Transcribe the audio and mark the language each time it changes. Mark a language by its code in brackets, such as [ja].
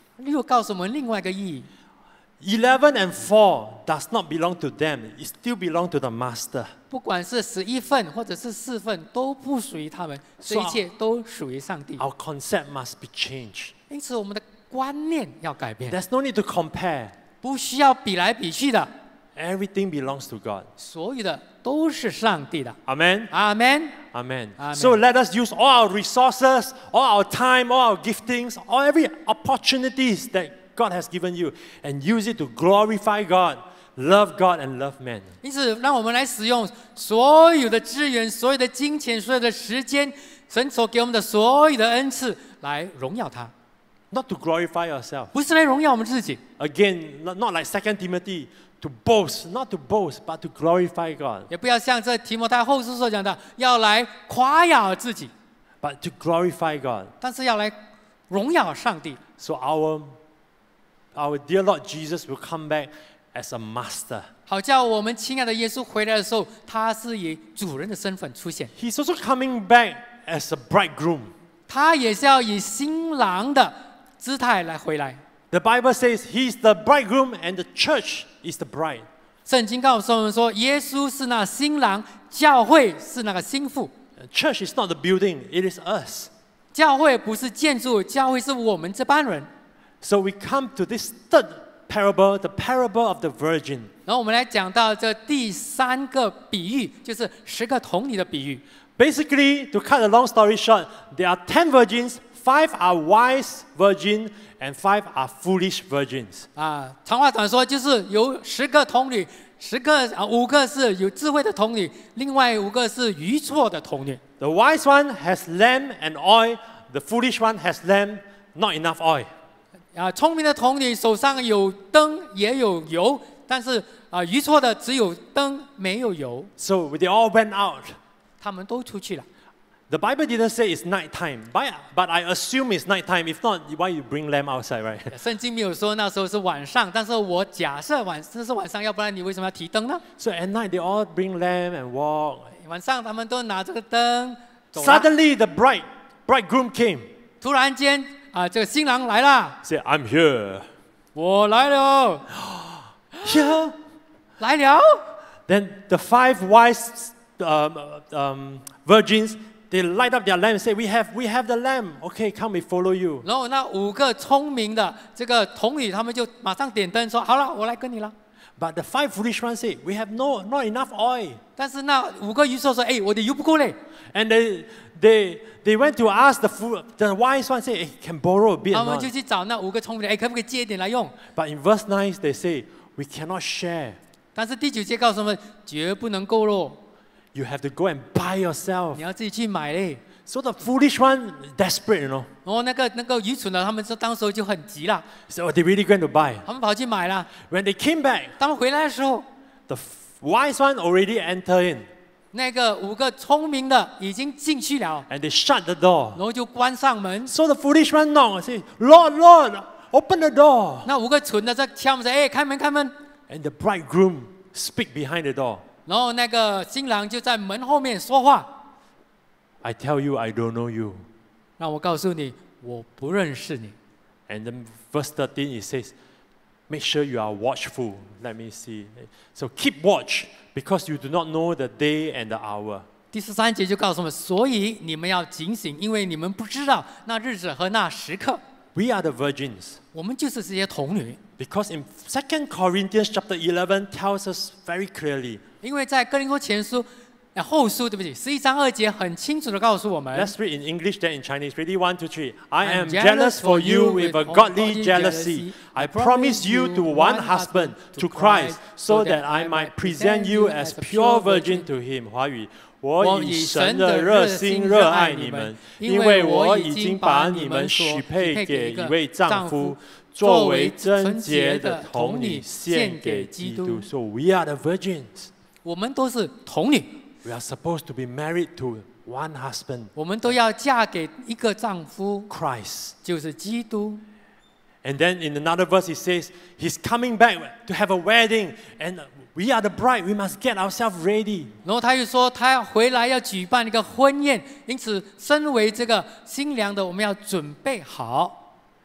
[zh] 又告诉我们另外一个意义。 [en] 11 and 4 does not belong to them. It still belongs to the master. [zh] 不管是11份或者是4份都不属于他们，这一切都属于上帝。 [en] Our concept must be changed. [zh] 因此我们的观念要改变。 [en] There's no need to compare. [zh] 不需要比来比去的。 [en] Everything belongs to God. [zh] 所有的都是上帝的。 [en] Amen. Amen. Amen. So let us use all our resources, all our time, all our giftings, all every opportunities that God has given you, and use it to glorify God, love God, and love man. [zh] 因此，让我们来使用所有的资源、所有的金钱、所有的时间，神所给我们的所有的恩赐，来荣耀他。 [en] Not to glorify yourself. [zh] 不是来荣耀我们自己。 [en] Again, not like 2 Timothy, to boast, not to boast, but to glorify God. [zh] 也不要像这提摩太后书所讲的，要来夸耀自己。 [en] But to glorify God. [zh] 但是要来荣耀上帝。 [en] So our dear Lord Jesus will come back as a master. [zh] 好叫我们亲爱的耶稣回来的时候，他是以主人的身份出现。 [en] He's also coming back as a bridegroom. [zh] 他也是要以新郎的姿态来回来。 [en] The Bible says he is the bridegroom and the church is the bride. [zh] 圣经告诉我们说，耶稣是那新郎，教会是那个新妇。 [en] Church is not the building, it is us. [zh] 教会不是建筑，教会是我们这班人。 [en] So we come to this third parable, the parable of the virgin. [zh] 然后我们来讲到这第三个比喻，就是十个童女的比喻。 [en] Basically, to cut a long story short, there are 10 virgins. Five are wise virgins and five are foolish virgins. [zh] 啊，长话短说，就是有十个童女，十个啊，五个是有智慧的童女，另外五个是愚错的童女。 [en] The wise one has lamb and oil, the foolish one has lamp, not enough oil. [zh] 聪明的童女手上有灯也有油，但是愚错的只有灯没有油。 [en] So they all went out. [zh] 他们都出去了。 [en] The Bible didn't say it's night time, but I assume it's night time. If not, why you bring lamb outside, right? [zh] 圣经没有说那时候是晚上，但是我假设是晚上，要不然你为什么要提灯呢？ [en] So at night they all bring lamb and walk. [zh] 晚上他们都拿这个灯走。 [en] Suddenly the bridegroom came. [zh] 突然间这个新郎来了。 [en] Say I'm here. [zh] 我来了。 [en] Here. [zh] 来了。 [en] Then the five wise virgins. They light up their lamp and say, we have the lamb. Okay, come, we follow you. [zh] 然后那五个聪明的这个童女，他们就马上点灯说，好了，我来跟你了。 [en] But the five foolish ones say, we have not enough oil. [zh] 但是那五个愚蠢说，哎，我的油不够嘞。 [en] And they went to ask the wise ones say, can borrow a bit. [zh] 他们就去找那五个聪明的，哎，可不可以借一点来用。 [en] But in verse 9, they say, we cannot share. [zh] 但是第九节告诉我们，绝不能够咯。 [en] You have to go and buy yourself. [zh] 你要自己去买嘞。 [en] So the foolish one desperate, you know. [zh] 哦，那个愚蠢的，他们说当时就很急了。 [en] So they really going to buy. [zh] 他们跑去买了。 [en] When they came back, [zh] 他们回来的时候 [en] ，the wise one already enter in. [zh] 那个五个聪明的已经进去了。 [en] And they shut the door. [zh] 然后就关上门。 [en] So the foolish one knock, say, Lord, Lord, open the door. [zh] 那五个蠢的在敲门说，哎，开门，开门。 [en] And the bridegroom speak behind the door. [zh] 然后那个新郎就在门后面说话。 [en] I tell you, I don't know you. [zh] 让我告诉你，我不认识你。 [en] And then verse 13, it says, make sure you are watchful. Let me see. So keep watch, because you do not know the day and the hour. [zh] 第十三节就告诉我们，所以你们要警醒，因为你们不知道那日子和那时刻。 [en] We are the virgins. [zh] 我们就是这些童女。 [en] Because in 2 Corinthians chapter 11 tells us very clearly, [zh] 因为在哥林多前书，后书，对不起，十一章二节很清楚地告诉我们。 [en] Let's read in English, then in Chinese. Ready, 1, 2, 3. I am jealous for you with a godly jealousy. I promise you to one husband, to Christ, so that I might present you as pure virgin to him. [zh] 华语，我以神的热心热爱你们，因为我已经把你们许配给一位丈夫。作为贞洁的童女献给基督。 [en] So we are the virgins. [zh] 我们都是童女。 [en] We are supposed to be married to one husband. [zh] 我们都要嫁给一个丈夫。 [en] Christ. [zh] 就是基督。 [en] And then in another verse he says, he's coming back to have a wedding, and we are the bride, we must get ourselves ready. [zh] 然后他又说他要回来要举办一个婚宴，因此身为这个新娘的我们要准备好。